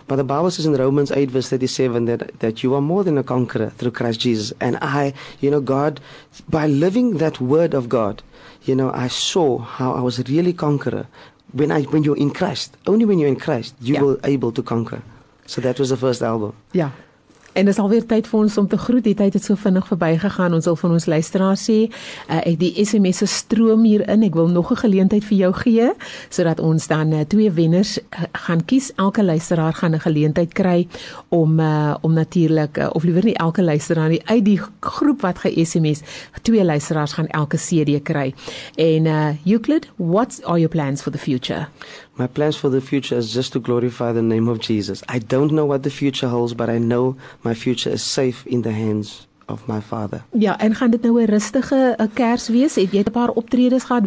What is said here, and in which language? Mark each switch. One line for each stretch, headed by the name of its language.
English: But the Bible says in Romans 8, verse 37, that you are more than a conqueror through Christ Jesus. And I, you know, God, by living that word of God, you know, I saw how I was really conqueror. When you're in Christ, only when you're in Christ, you will able to conquer. So that was the first album. Yeah.
Afrikaans: En dis alweer tyd vir ons om te groet. Die tyd het so vinnig verby gegaan. Ons wil van ons luisteraars sê, die SMS se stroom hier in. Ek wil nog 'n geleentheid vir jou gee sodat ons dan twee wenners gaan kies. Elke luisteraar gaan 'n geleentheid kry om om natuurlik of liewer nie elke luisteraar nie, uit die groep wat ge-SMS, twee luisteraars gaan elke CD kry.
English: En Euclid, what are your plans for the future? My plans for the future is just to glorify the name of Jesus. I don't know what the future holds, but I know my future is safe in the hands of my Father.
Afrikaans: Ja, en gaan dit nou 'n rustige kers wees? Het jy 'n paar optredes gehad?